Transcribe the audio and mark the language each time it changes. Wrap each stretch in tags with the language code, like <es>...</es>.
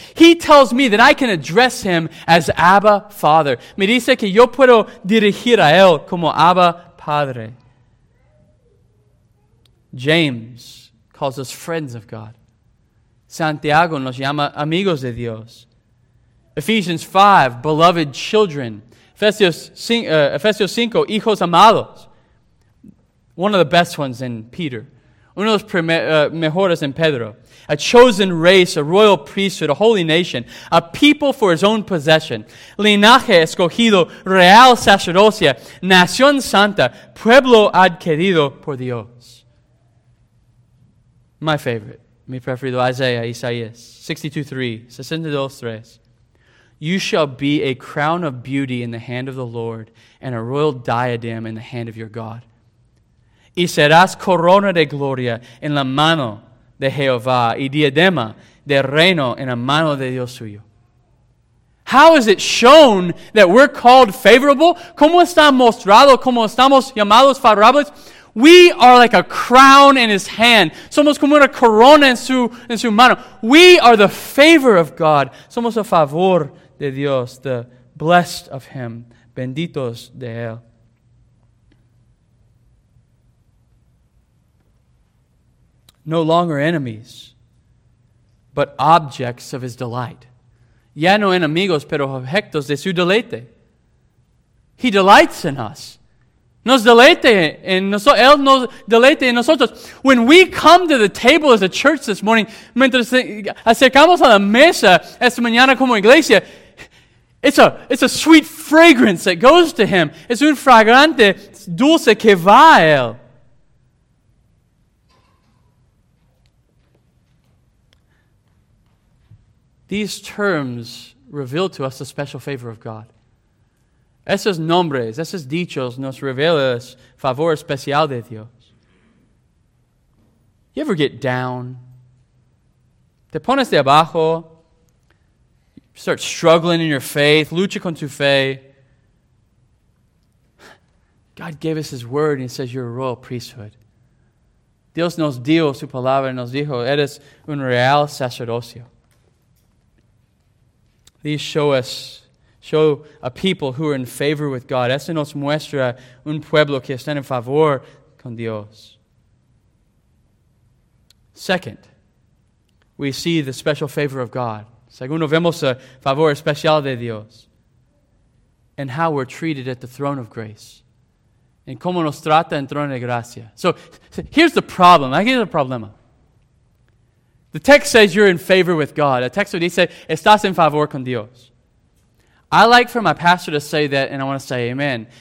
<en>He tells me that I can address him as Abba Father.</en> <es>Me dice que yo puedo dirigir a él como Abba Padre.</es> <en>James calls us friends of God.</en> <es>Santiago nos llama amigos de Dios.</es> <en>Ephesians 5, beloved children. Ephesios 5,</en> <es>hijos amados.</es> <en>One of the best ones in Peter.</en> <es>Uno de los mejores en Pedro.</es> <en>A chosen race, a royal priesthood, a holy nation, a people for his own possession.</en> <es>Linaje escogido, real sacerdocia, nación santa, pueblo adquirido por Dios.</es> <en>My favorite,</en> <es>mi preferido,</es> <en>Isaiah, Isaías, 62:3. You shall be a crown of beauty in the hand of the Lord and a royal diadem in the hand of your God.</en> <es>Y serás corona de gloria en la mano de Jehová y diadema de reino en la mano de Dios suyo.</es> <en>How is it shown that we're called favorable?</en> <es>¿Cómo está mostrado? ¿Cómo estamos llamados favorables?</es> <en>We are like a crown in His hand.</en> <es>Somos como una corona en su mano.</es> <en>We are the favor of God.</en> <es>Somos a favor de Dios,</es> <en>the blessed of Him,</en> <es>benditos de Él.</es> <en>No longer enemies, but objects of His delight.</en> <es>Ya no enemigos, pero objetos de su deleite.</es> <en>He delights in us.</en> <es>Nos deleite en nosotros. Él nos deleite en nosotros.</es> <en>When we come to the table as a church this morning,</en> <es>mientras acercamos a la mesa esta mañana como iglesia,</es> <en>it's a sweet fragrance that goes to Him.</en> <es>Es un fragrante dulce que va a Él.</es> <en>These terms reveal to us the special favor of God.</en> <es>Esos nombres, esos dichos nos revelan el favor especial de Dios.</es> <en>You ever get down?</en> <es>Te pones de abajo,</es> <en>start struggling in your faith,</en> <es>lucha con tu fe.</es> <en>God gave us His word and He says you're a royal priesthood.</en> <es>Dios nos dio su palabra y nos dijo, eres un real sacerdocio.</es> <en>These show a people who are in favor with God.</en> <es>Eso nos muestra un pueblo que está en favor con Dios.</es> <en>Second, we see the special favor of God.</en> <es>Según vemos el favor especial de Dios.</es> <en>And how we're treated at the throne of grace.</en> <es>And cómo nos trata el trono de gracia.</es> <en>So, here's the problem. Aquí es el problema. The text says you're in favor with God.</en> <es>El texto dice, estás en favor con Dios.</es> <en>I like for my pastor to say that, and I want to say amen.</en>